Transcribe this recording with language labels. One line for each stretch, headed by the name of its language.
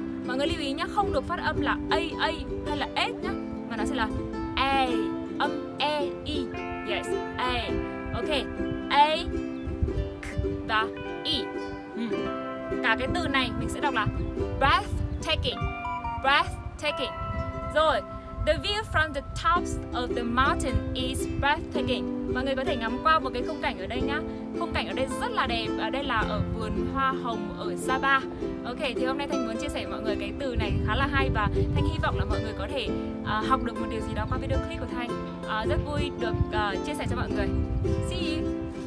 Vietnamese: Mọi người lưu ý nhá, không được phát âm là A hay là S nhá, mà nó sẽ là A, âm E, I.
English: Yes,
Vietnamese: A. Ok, A, K và I. Cả cái từ này mình sẽ đọc là breathtaking.
English: Breathtaking.
Vietnamese: Rồi,
English: the view from the tops of the mountain is breathtaking.
Vietnamese: Mọi người có thể ngắm qua một cái khung cảnh ở đây nhá. Khung cảnh ở đây rất là đẹp. Ở đây là ở vườn hoa hồng ở Saba. Ok, thì hôm nay Thanh muốn chia sẻ với mọi người cái từ này khá là hay, và Thanh hy vọng là mọi người có thể học được một điều gì đó qua video clip của Thanh. Rất vui được chia sẻ cho mọi người.
English: See you.